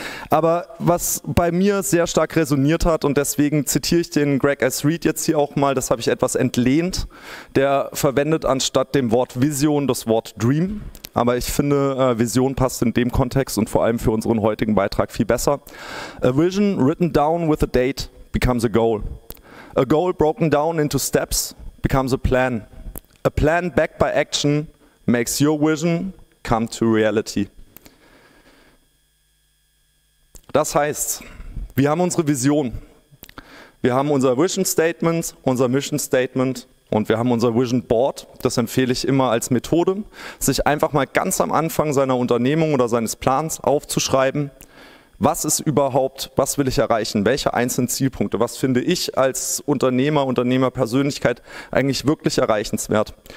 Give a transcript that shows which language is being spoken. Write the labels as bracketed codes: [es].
[de] Aber was bei mir sehr stark resoniert hat und deswegen zitiere ich den Greg S. Reed jetzt hier auch mal, das habe ich etwas entlehnt, der verwendet anstatt dem Wort Vision das Wort Dream. Aber ich finde, Vision passt in dem Kontext und vor allem für unseren heutigen Beitrag viel besser. [en] A vision written down with a date becomes a goal. A goal broken down into steps becomes a plan. A plan backed by action makes your vision come to reality. [de] Das heißt, wir haben unsere Vision. Wir haben unser Vision Statement, unser Mission Statement Und wir haben unser Vision Board, das empfehle ich immer als Methode, sich einfach mal ganz am Anfang seiner Unternehmung oder seines Plans aufzuschreiben, was ist überhaupt, was will ich erreichen, welche einzelnen Zielpunkte, was finde ich als Unternehmer, Unternehmerpersönlichkeit eigentlich wirklich erreichenswert.